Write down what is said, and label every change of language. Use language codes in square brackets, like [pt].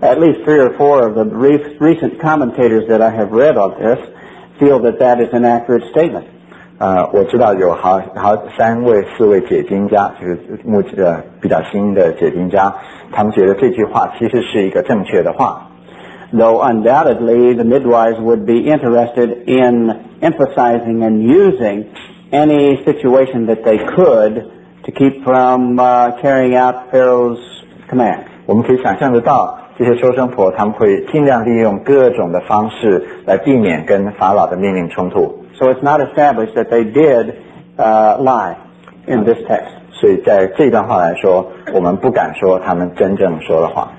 [en] At least three or four of the recent commentators that I have read on this. Feel that is an accurate statement. [zh] 我知道有好三位四位解经家，就是目前比较新的解经家，他们觉得这句话其实是一个正确的话。 [en] Though undoubtedly the midwives would be interested in emphasizing and using any situation that they could to keep from carrying out Pharaoh's command. [zh] 我们可以想象得到。这些收生婆他们会尽量利用各种的方式来避免跟法老的命令冲突。 [en] So it's not established that they did lie in this text. [zh] 所以在这段话来说，我们不敢说他们真正说了谎。